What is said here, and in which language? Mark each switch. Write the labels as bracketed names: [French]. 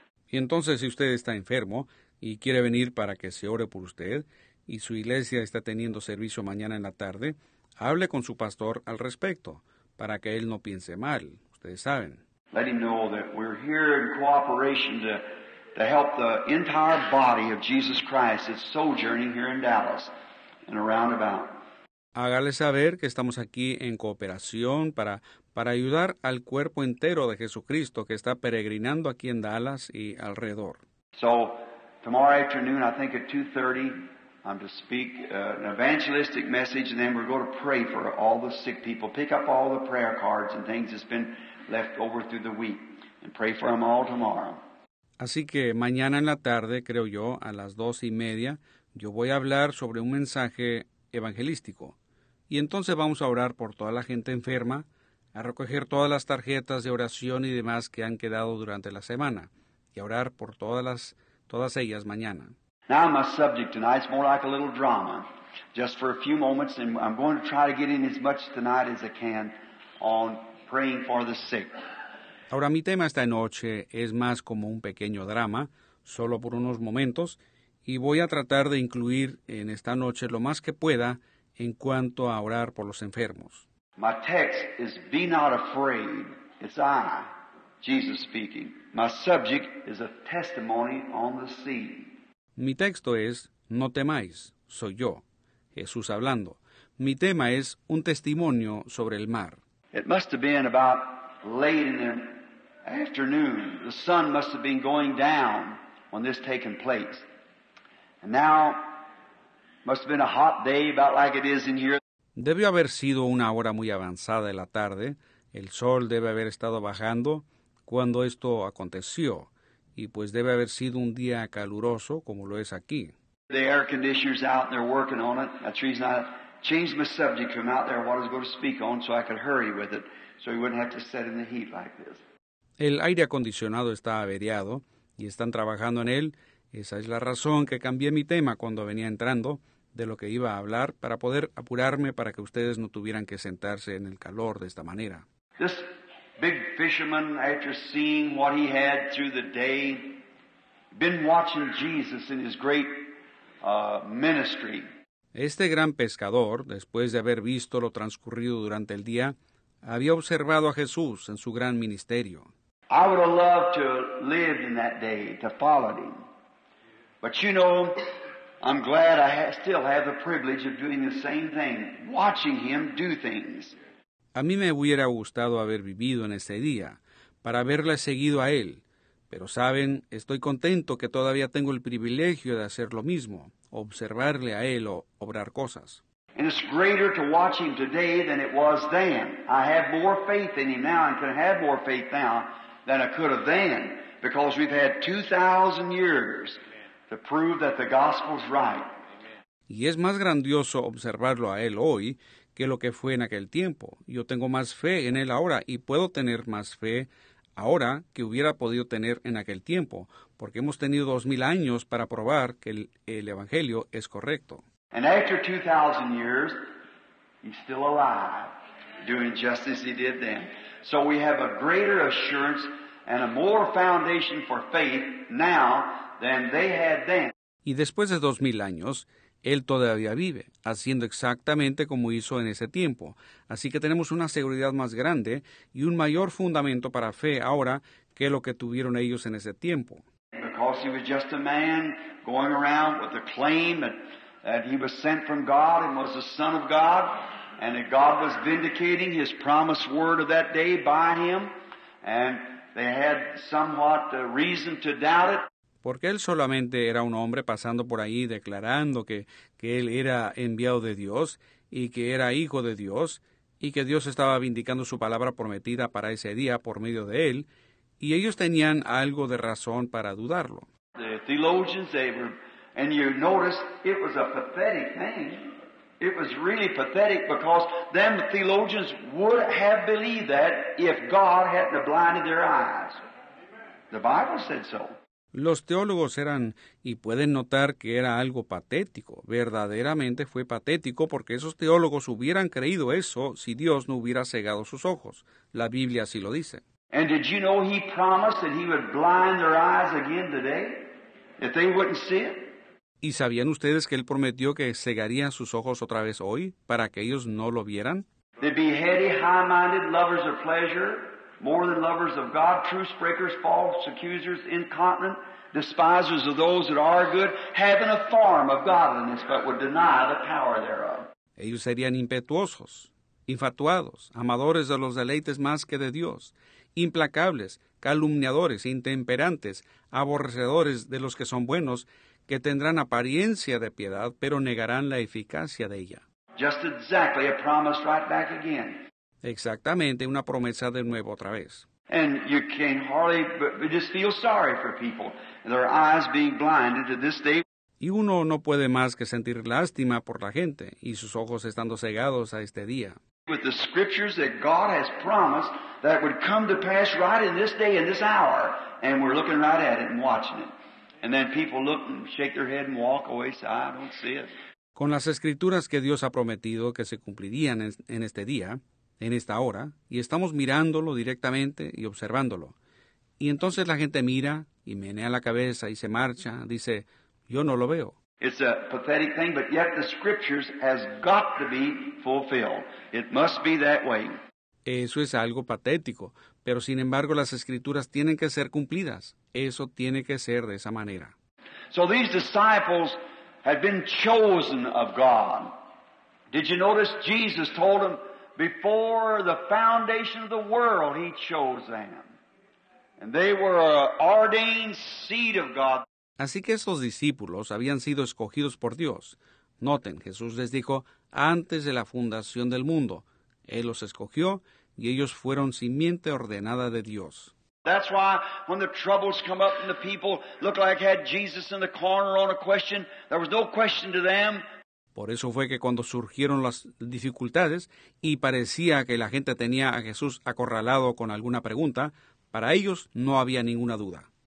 [Spanish] Y entonces, si usted está enfermo y quiere venir para que se ore por usted, y su iglesia está teniendo servicio mañana en la tarde, hable con su pastor al respecto, para que él no piense mal, ustedes saben. [English] Let him know that we're here in cooperation to help the entire body of Jesus Christ that's sojourning here in Dallas and around about. [Spanish] Hágale saber que estamos aquí en cooperación para ayudar al cuerpo entero de Jesucristo que está peregrinando aquí en Dallas y alrededor. [English] So, tomorrow afternoon, I think at 2:30, I'm to speak an evangelistic message, and then we're going to pray for all the sick people. Pick up all the prayer cards and things that's been left over through the week, and pray for them all tomorrow. [Spanish] Así que mañana en la tarde, creo yo, a las 2:30, yo voy a hablar sobre un mensaje evangelístico. Y entonces vamos a orar por toda la gente enferma, a recoger todas las tarjetas de oración y demás que han quedado durante la semana, y a orar por todas ellas mañana. [English] Now my subject tonight is more like a little drama, just for a few moments, and I'm going to try to get in as much tonight as I can on praying for the sick. [Spanish] Ahora mi tema esta noche es más como un pequeño drama, solo por unos momentos, y voy a tratar de incluir en esta noche lo más que pueda en cuanto a orar por los enfermos. [English] My text is "Be not afraid." It's I, Jesus speaking. My subject is a testimony on the sea. [Spanish] Mi texto es "No temáis, soy yo, Jesús hablando." Mi tema es un testimonio sobre el mar. [English] It must have been about late in the afternoon. The sun must have been going down when this taken place. And now, must have been a hot day about like it is in here. [Spanish] Debió haber sido una hora muy avanzada de la tarde. El sol debe haber estado bajando cuando esto aconteció. Y pues debe haber sido un día caluroso como lo es aquí. [English] The air conditioner's out and they're working on it. That's the reason I changed my subject from out there what I was going to speak on so I could hurry with it. So we wouldn't have to sit in the heat like this. [Spanish] El aire acondicionado está averiado y están trabajando en él. Esa es la razón que cambié mi tema cuando venía entrando de lo que iba a hablar para poder apurarme para que ustedes no tuvieran que sentarse en el calor de esta manera. [English] This big fisherman, after seeing what he had through the day, been watching Jesus in his great ministry. [Spanish] Este gran pescador, después de haber visto lo transcurrido durante el día, había observado a Jesús en su gran ministerio. [English] I would have loved to live in that day, to follow him. But you know, I'm glad I still have the privilege of doing the same thing, watching him do things. [Spanish] A mí me hubiera gustado haber vivido en ese día, para haberle seguido a él. Pero saben, estoy contento que todavía tengo el privilegio de hacer lo mismo, observarle a él o obrar cosas. [English] And it's greater to watch him today than it was then. I have more faith in him now and can have more faith now than I could have then, because we've had 2,000 years to prove that the gospel's right. [Spanish] Y es más grandioso observarlo a él hoy que lo que fue en aquel tiempo. Yo tengo más fe en él ahora y puedo tener más fe ahora que hubiera podido tener en aquel tiempo, porque hemos tenido 2,000 años para probar que el evangelio es correcto. [English] And after 2,000 years, he's still alive, doing just as he did then. So we have a greater assurance and a more foundation for faith now than they had then. [Spanish] Y después de 2,000 años, él todavía vive, haciendo exactamente como hizo en ese tiempo. Así que tenemos una seguridad más grande y un mayor fundamento para fe ahora que lo que tuvieron ellos en ese tiempo. [English] Because he was just a man going around with a claim that he was sent from God and was the Son of God, and that God was vindicating his promised word of that day by him, and they had somewhat reason to doubt it. [Spanish] Porque él solamente era un hombre pasando por ahí declarando que él era enviado de Dios y que era hijo de Dios y que Dios estaba vindicando su palabra prometida para ese día por medio de él, y ellos tenían algo de razón para dudarlo. [English] The theologians, they were, and you notice it was a pathetic thing. It was really pathetic because them theologians would have believed that if God hadn't blinded their eyes. The Bible said so. [Spanish] Los teólogos eran, y pueden notar que era algo patético, verdaderamente fue patético porque esos teólogos hubieran creído eso si Dios no hubiera cegado sus ojos. La Biblia así lo dice. [English] And did you know he promised that he would blind their eyes again today, if they wouldn't see it? [Spanish] ¿Y sabían ustedes que él prometió que cegaría sus ojos otra vez hoy para que ellos no lo vieran? [English] They'd be heady, high-minded, lovers of pleasure, more than lovers of God, truce-breakers, false accusers, incontinent, despisers of those that are good, having a form of godliness, but would deny the power thereof. [Spanish] Ellos serían impetuosos, infatuados, amadores de los deleites más que de Dios, implacables, calumniadores, intemperantes, aborrecedores de los que son buenos, que tendrán apariencia de piedad, pero negarán la eficacia de ella. [English] Just exactly a promise right back again. [Spanish] Exactamente, una promesa de nuevo otra vez. [English] And you can hardly but just feel sorry for people and their eyes being blinded to this day. [Spanish] Y uno no puede más que sentir lástima por la gente y sus ojos estando cegados a este día. [English] With the scriptures that God has promised that would come to pass right in this day, in this hour, and we're looking right at it and watching it. And then people look and shake their head and walk away, say, I don't see it. [Spanish] Con las escrituras que Dios ha prometido que se cumplirían en este día, en esta hora, y estamos mirándolo directamente y observándolo. Y entonces la gente mira y menea la cabeza y se marcha, dice, yo no lo veo. [English] It's a pathetic thing, but yet the scriptures has got to be fulfilled. It must be that way. [Spanish] Eso es algo patético, pero sin embargo las escrituras tienen que ser cumplidas. Eso tiene que ser de esa manera. [English] So these disciples had been chosen of God. Did you notice Jesus told them before the foundation of the world he chose them. And they were an ordained seed of God. [Spanish] Así que esos discípulos habían sido escogidos por Dios. Noten, Jesús les dijo, antes de la fundación del mundo, Él los escogió y ellos fueron simiente ordenada de Dios. [English] That's why when the troubles come up and the people look like had Jesus in the corner on a question, there was no question to them. [Spanish] Por eso fue que cuando surgieron las dificultades y parecía que la gente tenía a Jesús acorralado con alguna pregunta, para ellos no había ninguna duda.